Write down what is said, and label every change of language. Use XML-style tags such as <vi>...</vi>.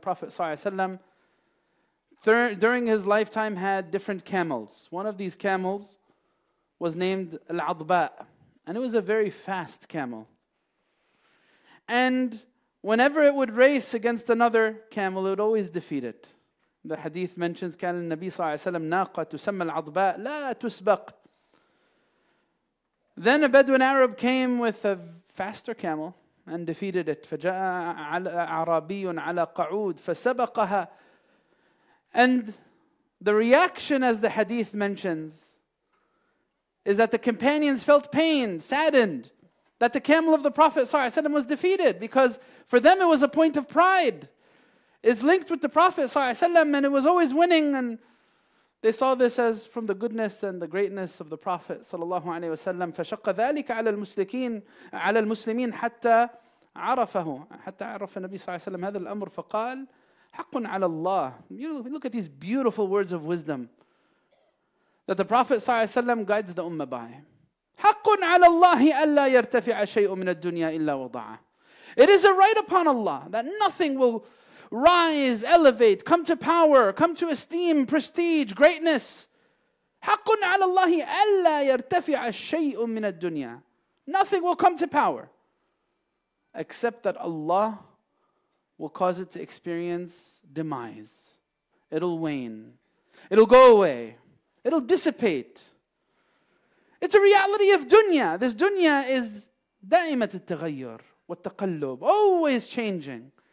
<en>Prophet sallallahu alayhi wa sallam, during his lifetime, had different camels. One of these camels was named Al-Adba, and it was a very fast camel. And whenever it would race against another camel, it would always defeat it. The hadith mentions,</en> <ar>كان النبي صلى الله عليه وسلم ناقة تسمى العضباء لا تسبق.</ar> <en>Then a Bedouin Arab came with a faster camel and defeated it.</en> <ar>فجاء عربي على قعود فسبقها.</ar> <en>And the reaction, as the hadith mentions, is that the companions felt pain, saddened, that the camel of the Prophet صلى الله عليه وسلم was defeated, because for them it was a point of pride. It's linked with the Prophet صلى الله عليه وسلم, and it was always winning, and they saw this as from the goodness and the greatness of the Prophet صلى الله عليه وسلم.</en> <ar>فشق ذلك على المسلمين حتى عرفه, حتى عرف النبي صلى الله عليه وسلم هذا الأمر فقال حق على الله.</ar> <en>Look at these beautiful words of wisdom that the Prophet صلى الله عليه وسلم guides the ummah by.</en> <ar>حق على الله ألا يرتفع شيء من الدنيا إلا وضعه.</ar> <en>It is a right upon Allah that nothing will rise, elevate, come to power, come to esteem, prestige, greatness.</en> <ar>حق على الله ألا يرتفع شيء من الدنيا.</ar> <en>Nothing will come to power except that Allah will cause it to experience demise. It'll wane. It'll go away. It'll dissipate. It's a reality of dunya. This dunya is</en> <ar>دائمة التغير والتقلب,</ar> <en>always changing.</en>